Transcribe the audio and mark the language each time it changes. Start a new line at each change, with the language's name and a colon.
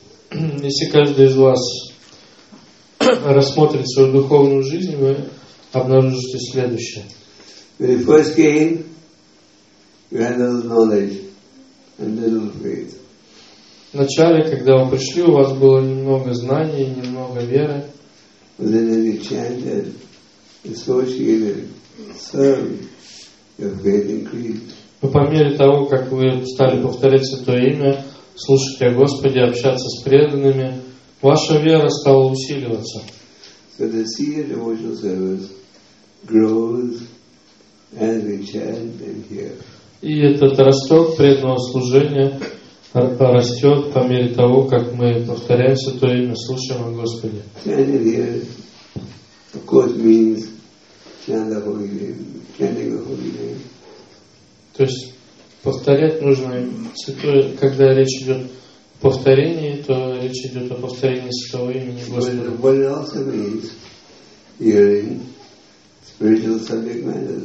Russian: Если каждый из вас рассмотрит свою духовную жизнь, вы обнаружите следующее.
English: When you first came, you had little knowledge and little faith.
Russian: В начале, когда вы пришли, у вас было немного знаний, немного веры.
English: But then as you chanted, associated, served, your faith increased.
Russian: Но по мере того, как вы стали повторять Святое Имя, слушать о Господе, общаться с преданными, ваша вера стала усиливаться.
English: So the seed of devotional service grows as we chant and hear.
Russian: И этот росток преданного служения растет по мере того, как мы повторяем Святое Имя, слушаем о Господе.
English: Chanting here, of course, means chant the Holy Name, chanting the Holy Name.
Russian: То есть повторять нужно святое, когда речь идет о повторении, то речь идет о повторении святого имени Господа.